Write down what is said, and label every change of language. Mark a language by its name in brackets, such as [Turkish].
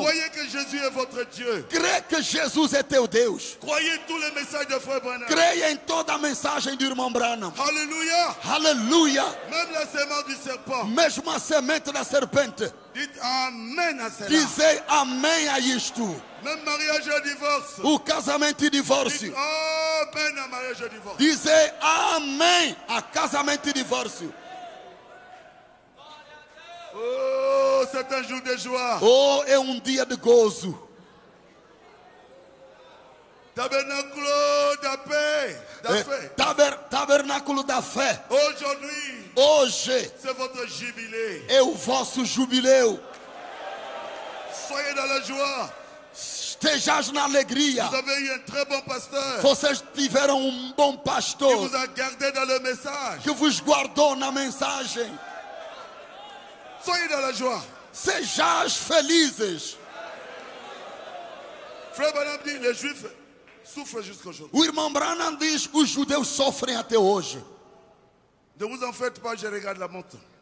[French] Croyez que Jésus est votre Dieu. [Portuguese] Crê que Jesus é teu Deus. [French] Croyez tous les messages de Frère Branham. [Portuguese] Creia em toda a mensagem do irmão Branham. Aleluia. Aleluia. [French] Même la semente du serpent. [Portuguese] Mesmo a semente da serpente. [French] Dites amen à cela. [Portuguese] Dizei amém a isto. [French] Même mariage et divorce. [Portuguese] O casamento e divórcio. [French] Dites amen à mariage et divorce. [Portuguese] Dizei amém a casamento e divórcio. [French] Oh, c'est un jour de joie. [Portuguese] Oh, é um dia de gozo. Tabernáculo da fé. Tabernáculo da fé. [French] Aujourd'hui. [Portuguese] Hoje. [French] C'est votre jubilé. [Portuguese] É o vosso jubileu. [French] Soyez dans la joie. [Portuguese] Estejais na alegria. [French] Vous avez eu un très bon pasteur. [Portuguese] Vocês tiveram um bom pastor. [French] Qui vous a gardé dans le message. [Portuguese] Que vos guardou na mensagem. [French] Soyez dans la joie. [Portuguese] Sejais felizes. [French] Frère Branham dit, les Juifs souffrent jusqu'aujourd'hui. [Portuguese] O irmão Branham diz, os judeus sofrem até hoje. [French] Ne vous en faites pas, je regarde la montre.